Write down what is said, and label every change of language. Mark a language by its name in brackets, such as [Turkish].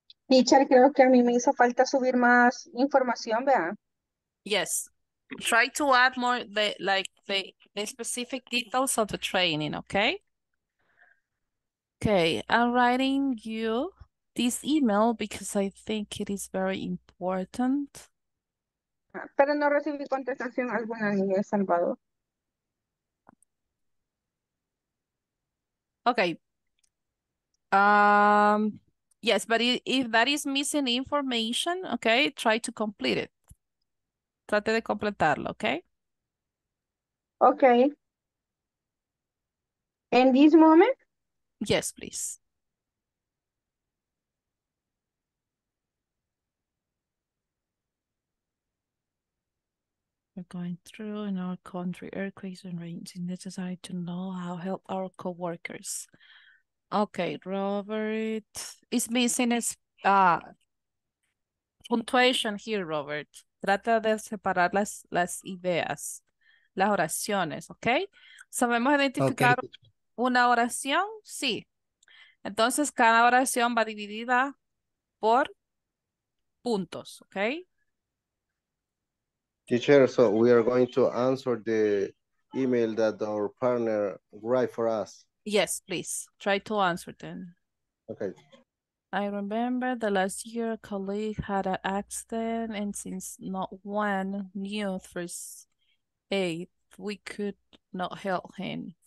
[Spanish] Teacher, creo que a mí me hizo falta subir más información, ¿verdad? [English] Yes. Try to add more the specific details of the training, okay? Okay, I'm writing you this email because I think it is very important. [Spanish] Pero no recibí contestación alguna ni de Salvador. [English] Okay. Yes, but if that is missing information, okay, try to complete it. [Spanish] Trate de completarlo, okay? [English] Okay. In this moment? Yes, please. We're going through in our country earthquakes and rains. It's necessary to know how to help our co-workers. Okay, Robert is missing his puntuation here, Robert. [Spanish] Trata de separar las ideas, las oraciones, okay? ¿Sabemos identificar okay. una oración? Sí. Entonces, cada oración va dividida por puntos, okay? [English] Teacher, so we are going to answer the email that our partner write for us. Yes, please. Try to answer then. Okay. I remember the last year a colleague had an accident, and since no one knew first aid, we could not help him.